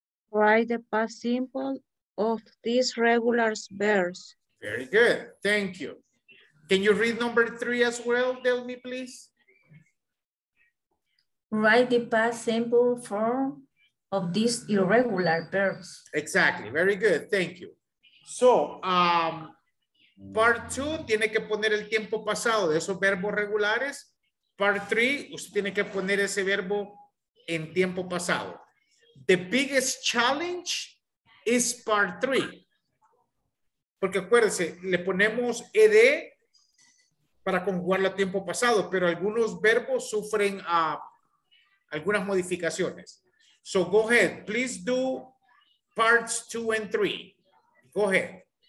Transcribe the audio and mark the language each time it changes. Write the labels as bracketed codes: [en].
[en] Write the past simple of these regular verbs. Very good. Thank you. Can you read number three as well, Delmi, please? Write the past simple form of these irregular verbs. Exactly. Very good. Thank you. [es] So, [en] part two [es] tiene que poner el tiempo pasado de esos verbos regulares. [en] Part three, [es] usted tiene que poner ese verbo en tiempo pasado. [en] The biggest challenge is part three. [es] Porque acuérdense, le ponemos ed para conjugarlo a tiempo pasado, pero algunos verbos sufren algunas modificaciones. [en] So go ahead, please do parts two and three. Go ahead.